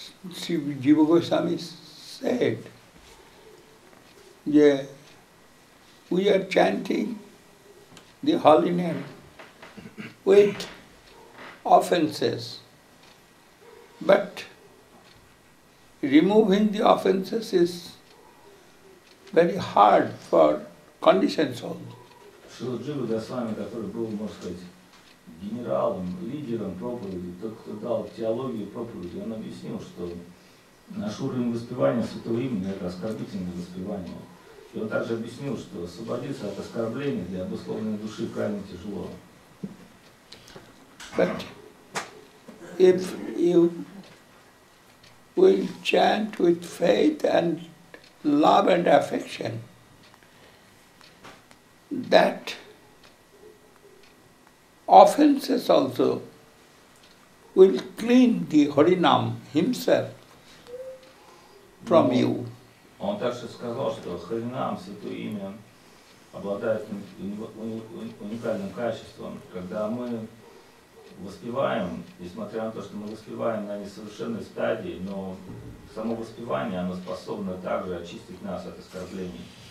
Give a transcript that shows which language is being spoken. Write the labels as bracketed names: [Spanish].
[English] Sri Jiva Goswami said, yeah, we are chanting the holy name with offenses. But removing the offenses is very hard for conditioned soul. [Russian] Шрила Джива Госвами, который был, можно сказать, генералом, лидером проповеди, тот, кто дал теологию проповеди, он объяснил, что наш уровень воспевания святого имени – это оскорбительное воспевание. И он также объяснил, что освободиться от оскорблений для обусловленной души крайне тяжело. [English] But if you will chant with faith and love and affection, that offenses also will clean the Harinam himself from you. [Russian] Он также сказал, что Харинам, святое имя, обладает уникальным качеством. Когда мы воспеваем, несмотря на то, что мы воспеваем на несовершенной стадии, но само воспевание, оно способно также очистить нас от оскорблений.